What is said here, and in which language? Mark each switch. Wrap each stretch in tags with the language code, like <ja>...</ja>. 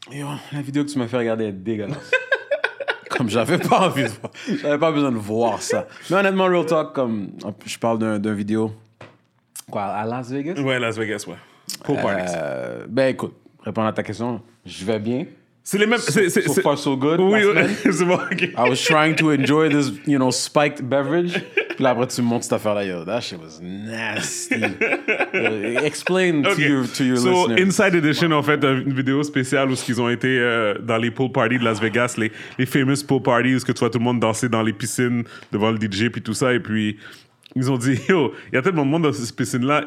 <fr>Yo, la vidéo que tu m'as fait regarder est dégueulasse. Comme j'avais pas envie de voir, j'avais pas besoin de voir ça. Mais honnêtement,</fr> <en>real talk,</en> <fr>comme je parle d'un vidéo. Quoi, à Las Vegas? Ouais, Las Vegas, ouais. Pour parties. Ben écoute, répondre à ta question, je vais bien. C'est les mêmes.</fr> <en>So far, so good.</en> <fr>Oui, oui. C'est bon, ok.</fr> <en>I was trying to enjoy this, you know, spiked beverage.</en> <fr>Puis là, après, tu montes cette affaire-là.</fr> <en>Yo, that shit was nasty. Explain okay. to your so, listeners.</en> <fr>So, Inside Edition, en fait, une vidéo spéciale où ils ont été dans les pool parties de Las Vegas, les</fr> <en>famous pool parties</en> <fr>où que tu vois tout le monde danser dans les piscines devant le DJ puis tout ça. Et puis, ils ont dit, yo, il y a tellement de monde dans cette piscine-là.</fr>